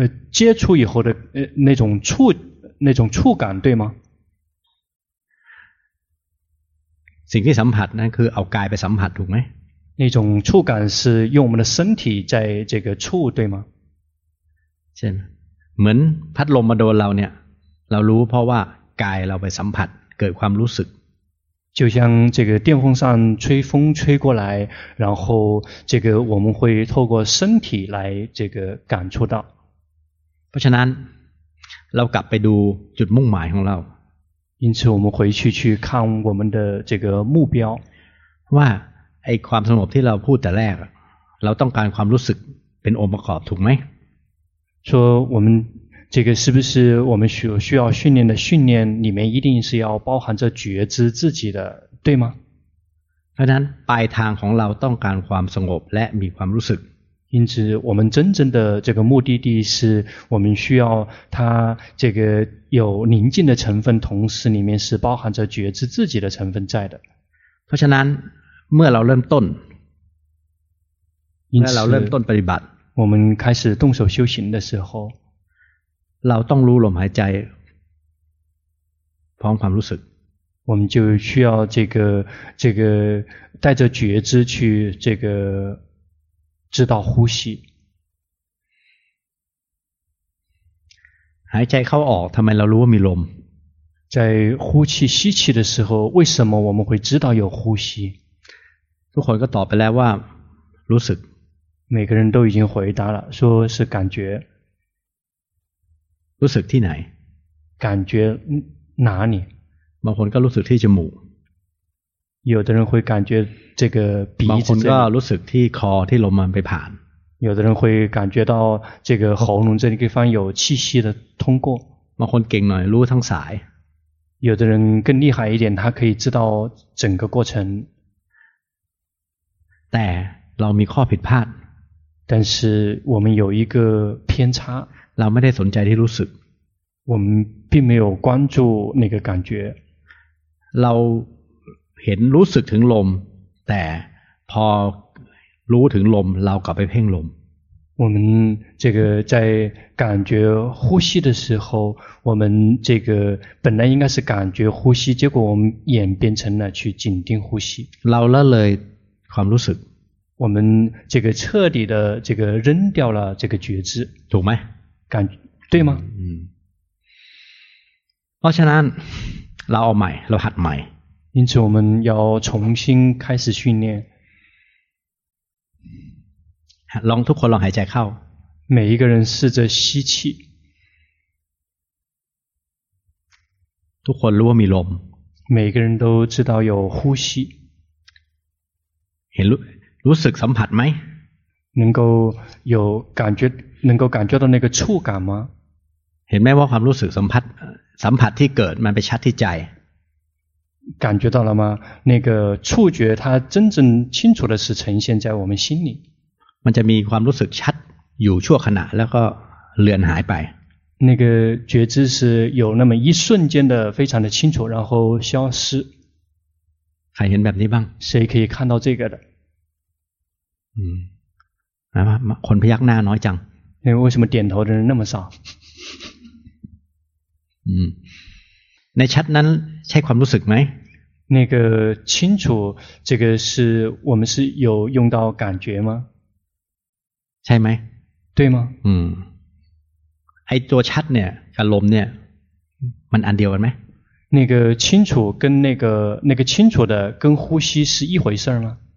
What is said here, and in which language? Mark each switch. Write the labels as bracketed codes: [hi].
[zh] 接触以后的那种触感对吗？ [th] สิ่งที่สัมผัสนั้นคือเอากายไปสัมผัสถูกไหม？ [zh] 那种触感是用我们的身体在这个触对吗？ [th] เช่นเหมือนพัดลมมาโดนเราเนี่ยเรารู้เพราะว่ากายเราไปสัมผัสเกิดความรู้สึก [zh] 就像这个电风扇吹风吹过来，然后这个我们会透过身体来这个感触到。 [th] เพราะฉะนั้นเรากลับไปดูจุดมุ่งหมายของเรา。 [zh] 因此我们回去去看我们的这个目标。 [th] ว่าไอความสงบที่เราพูดแต่แรกเราต้องการความรู้สึกเป็นองค์ประกอบถูกไหม？ [zh] 说我们这个是不是我们需要训练的训练里面一定是要包含着觉知自己的对吗？ [th] เพราะฉะนั้นปลายทางของเราต้องการความสงบและมีความรู้สึก [zh] 因此我们真正的这个目的地是我们需要它这个有宁静的成分同时里面是包含着觉知自己的成分在的 [th] เพราะฉะนั้นเมื่อเราเริ่มต้น และ เราเริ่มต้นปฏิบัติ [zh] 我们开始动手修行的时候 [th] เราต้องรู้ลมหายใจพร้อมความรู้สึก [zh] 我们就需要这个带着觉知去这个知道呼吸 [th] หายใจเข้าออกทำไมเรารู้ว่ามีลม [zh] 在呼气吸气的时候为什么我们会知道有呼吸 [th] ทุกคนก็ตอบไปแล้วว่ารู้สึก [zh] 每个人都已经回答了说是感觉 [th] รู้สึกที่ไหน [zh] 感觉哪里 [th] บางคนก็รู้สึกที่จมูก [zh] 有的人会感觉这个鼻子 [th] บางคนก็รู้สึกที่คอที่ลมมันไปผ่าน [zh] 有的人会感觉到这个喉咙这地方有气息的通过 [th] บางคนเก่งหน่อยรู้ทั้งสาย [zh] 有的人更厉害一点他可以知道整个过程 [th] แต่เรามีข้อผิดพลาด [zh] 但是我们有一个偏差 [th] เราไม่ได้สนใจที่รู้สึก [zh] 我们并没有关注那个感觉 [th] เราเห็นรู้สึกถึงลมแต่พอรู้ถึงลมเรากลับไปเพ่งลม [zh] 我们这个在感觉呼吸的时候我们这个本来应该是感觉呼吸结果我们演变成了去紧盯呼吸 [th] เราละเลยความรู้สึก [zh] 我们这个彻底的这个扔掉了这个觉知 [th] ถูกไหม [zh] 感对吗？ [th] 嗯，เพราะฉะนั้นเราเอาใหม่เราหัดใหม่ [zh] 因此我们要重新开始训练 [th] ลองทุกคนลองหายใจเข้า [zh] 每一个人试着吸气 [th] ทุกคนรู้ว่ามีลม [zh] 每一个人都知道有呼吸 [th] เห็นรู้สึกสัมผัสไหม [zh] 能够有感觉能够感觉到那个触感吗 [th] เห็นไหมว่าความรู้สึกสัมผัสที่เกิดมันไปชัดที่ใจ [zh] 感觉到了吗那个触觉它真正清楚的是呈现在我们心里 [th] มันจะมีความรู้สึกชัดอยู่ชั่วขณะแล้วก็เลือนหายไป [zh] 那个觉知是有那么一瞬间的非常的清楚然后消失 [th] ใครเห็นแบบนี้บ้าง [zh] 谁可以看到这个的嗯来吧 [th] คนพยักหน้าน้อยจัง [zh] 因为为什么点头的人那么少 [th] ในชัดนั้นใช่ความรู้สึกไหม [zh] 那个清楚这个是我们是有用到感觉吗 [th] ใช่ไหม [zh] 对吗 [th] ไอ้ตัวชัดเนี่ยกับลมเนี่ยมันอันเดียวกันไหม [zh] 那个清楚跟那个清楚的跟呼吸是一回事吗